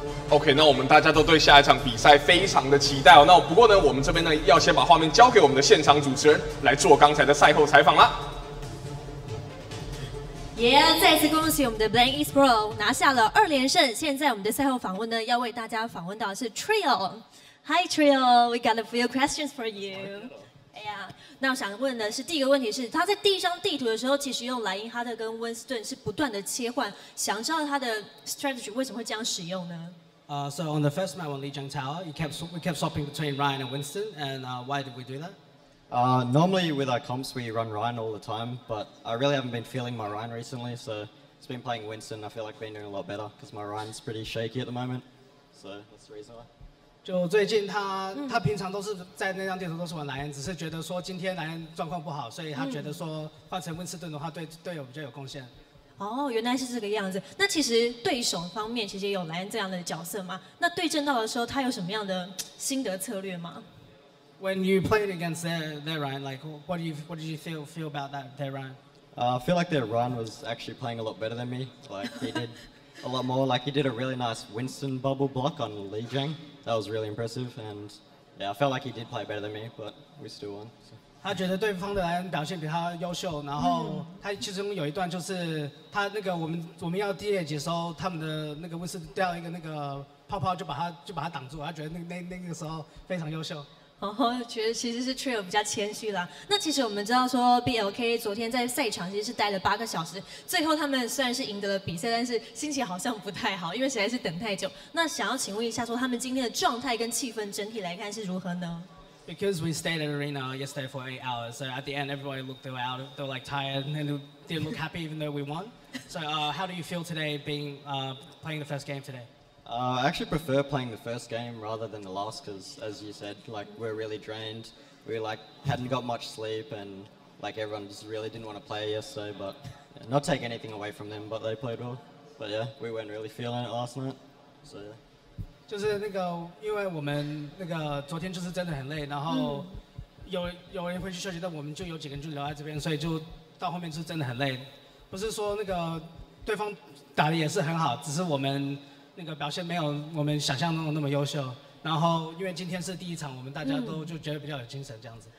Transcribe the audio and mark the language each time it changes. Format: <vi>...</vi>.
<zh>OK， 那我们大家都对下一场比赛非常的期待哦。那不过呢，我们这边呢要先把画面交给我们的现场主持人来做刚才的赛后采访啦。也要再次恭喜我们的 Blank East Pro 拿下了二连胜。现在我们的赛后访问呢，要为大家访问到的是 Trio。</zh> <en>Hi Trio，we got a few questions for you。</en> <zh>那我想问的是，第一个问题是，他在第一张地图的时候，其实用莱茵哈特跟温斯顿是不断的切换，想知道他的 strategy 为什么会这样使用呢？</zh> <en>So on the first map on Lijiang Tower, we kept swapping between Ryan and Winston, and why did we do that? Normally with our comps, we run Ryan all the time, but I really haven't been feeling my Ryan recently, so it's been playing Winston. I feel like been doing a lot better because my Ryan's pretty shaky at the moment. So that's the reason why.</en> <zh>就最近他平常都是在那张地图都是玩莱恩，只是觉得说今天莱恩状况不好，所以他觉得说换成温斯顿的话对队友比较有贡献。哦，原来是这个样子。那其实对手方面其实也有莱恩这样的角色嘛，那对阵到的时候他有什么样的心得策略吗？</zh> <en>When you played against their Ryan, like what did you feel about that their Ryan? I feel like their Ryan was actually playing a lot better than me. Like he did a lot more. Like he did a really nice Winston bubble block on Lijiang. That was really impressive, and yeah, I felt like he did play better than me, but we still won. So.</en> <zh>他觉得对方的莱恩表现比他优秀，然后他其中有一段就是他那个我们要第二节的时候，他们的那个温斯掉一个那个泡泡就把他挡住，他觉得那个时候非常优秀。哦，觉得其实是 Trio 比较谦虚啦。那其实我们知道说 BLK 昨天在赛场其实是待了8个小时，最后他们虽然是赢得了比赛，但是心情好像不太好，因为实在是等太久。那想要请问一下说他们今天的状态跟气氛整体来看是如何呢？</zh> <en>Because we stayed at arena yesterday for 8 hours, so at the end everybody looked they were like tired and didn't look happy even though we won. So how do you feel today being playing the first game today? I actually prefer playing the first game rather than the last because, as you said, like, we're really drained. We like, hadn't got much sleep and like, everyone just really didn't want to play yesterday. But, yeah, not take anything away from them, but they played well. But yeah, we weren't really feeling it last night. So, yeah.</en> <zh>就是那个，因为我们那个昨天就是真的很累，然后有人回去休息，但我们就有几个人就留在这边，所以就到后面就是真的很累。不是说那个对方打的也是很好，只是我们那个表现没有我们想象中的那么优秀，然后因为今天是第一场，我们大家都就觉得比较有精神这样子。</zh>